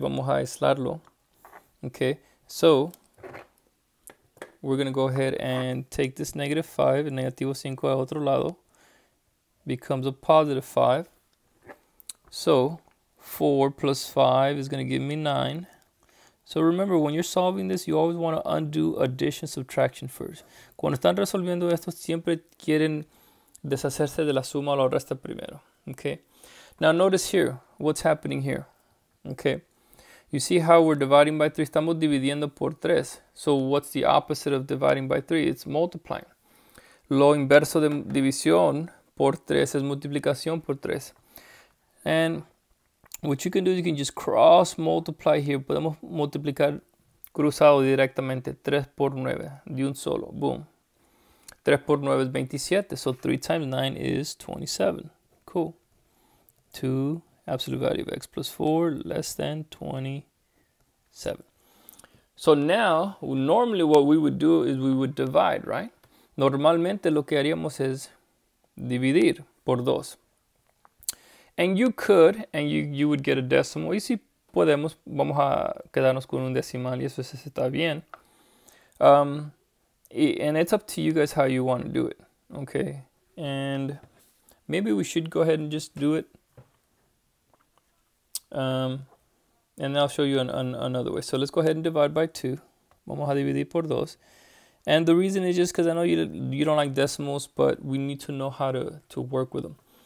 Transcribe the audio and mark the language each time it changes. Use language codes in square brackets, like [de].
[es] Vamos a aislarlo. [en] Okay, so we're going to go ahead and take this negative 5, [es] negativo 5 al otro lado, [en] becomes a positive 5. So 4 plus 5 is going to give me 9. So remember, when you're solving this, you always want to undo addition subtraction first. [es] Cuando están resolviendo esto, siempre quieren deshacerse de la suma o la resta primero. [en] Okay. Now notice here, what's happening here, okay? You see how we're dividing by 3? [es] Estamos dividiendo por 3. [en] So what's the opposite of dividing by 3? It's multiplying. [es] Lo inverso de división por 3 es multiplicación por 3. [en] And what you can do is you can just cross multiply here. [es] Podemos multiplicar cruzado directamente. 3 por 9, de un solo, boom. 3 por 9 es 27, [en] so 3 times 9 is 27, cool. 2 absolute value of x plus 4 less than 27. So now, normally what we would do is we would divide, right? [es] Normalmente lo que haríamos es dividir por 2. [en] And you could, and you would get a decimal. [es] Y si podemos, vamos a quedarnos con un decimal y eso está bien. [en] And it's up to you guys how you want to do it, okay? And maybe we should go ahead and just do it. And I'll show you another way. So let's go ahead and divide by 2. [es] Vamos a dividir por 2. [en] And the reason is just because I know you don't like decimals, but we need to know how to work with them.